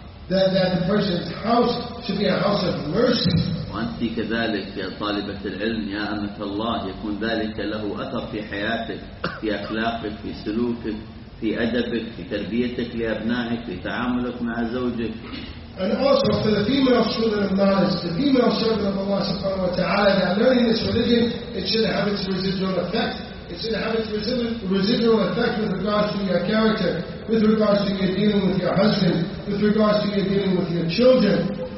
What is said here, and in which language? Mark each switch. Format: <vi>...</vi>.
<en>That the person's house should be a house of mercy.</en> <ar>وأنت كذلك يا طالبة العلم يا أمة الله يكون ذلك له أثر في حياتك في أخلاقك في سلوكك في أدبك في تربيتك لأبنائك في تعاملك مع زوجك.</ar> <en>And also for the female student of knowledge, the female servant of Allah subhanahu wa ta'ala, that learning this religion, it should have its residual effect. It should have its residual effect with regards to your character, with regards to your dealing with your husband, with regards to your dealing with your children.</en>